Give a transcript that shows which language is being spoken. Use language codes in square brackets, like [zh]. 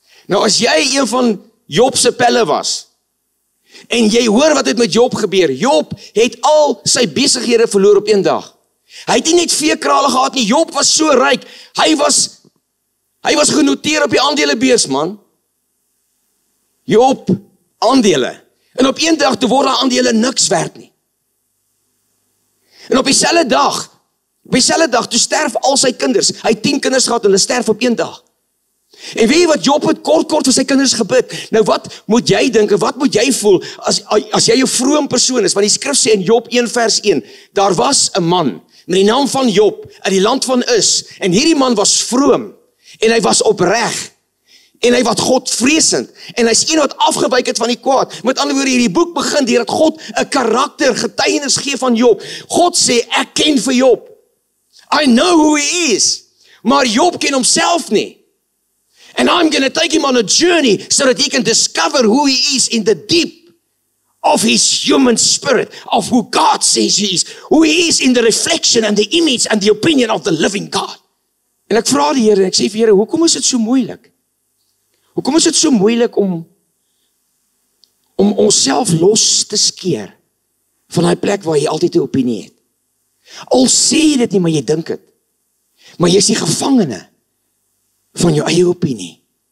[af] Nou as jy een van Job se pelle was, en jy hoor wat het met Job gebeur, Job het al sy besighede verloor op een dag. Hy het nie net veekrale gehad nie, Job was so ryk, hy was genoteer op die aandelebeurs, man. Job, aandele. En op een dag, toe word die aandele niks werd nie. En op die selle dag, toe sterf al sy kinders. Hy het 10 kinders gehad, hulle sterf op een dag. En weet jy wat, Job het kort vir sy kinders gebid. Nou wat moet jy dink, wat moet jy voel, as jy 'n vroom persoon is? Want die skrif sê in Job 1 vers 1, daar was 'n man, met die naam van Job, uit die land van Us, en hierdie man was vroom, en hy was opreg, en hy was God vreesend, en hy is een wat afgewyk het van die kwaad. Met ander woorde, hierdie boek begin, deurdat God 'n karakter getuienis gee van Job. God sê, ek ken vir Job. [en] I know who he is. [af] Maar Job ken homself nie. [en] And I'm gonna take him on a journey, so that he can discover who he is in the deep of his human spirit, of who God says he is, who he is in the reflection and the image and the opinion of the living God. [af] En ek vra die Here, en ek sê vir Here, hoekom is dit so moeilik? Hoekom is dit so moeilik om onsself los te skeer van die plek waar jy altyd 'n opinie het? Al sê jy dit nie, maar jy dink dit. Maar jy is die gevangene van jou eie opinie.